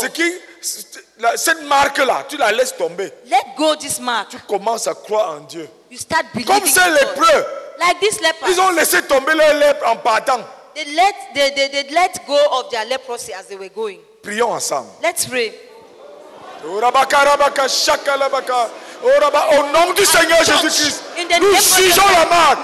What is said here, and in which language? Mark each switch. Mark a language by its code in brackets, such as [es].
[fr] Ce qui, cette marque-là, tu la laisses tomber. [en] Let go this mark. [fr] Tu commences à croire en Dieu. [en] You start believing [fr] comme ces lépreux. [en] Like this leper. [fr] Ils ont laissé tomber leur lèpre en partant. [en] They let go of their leprosy as they were going. [fr] Prions ensemble. [en] Let's pray. [fr] Au nom du Seigneur Jésus-Christ, nous jugeons la marque.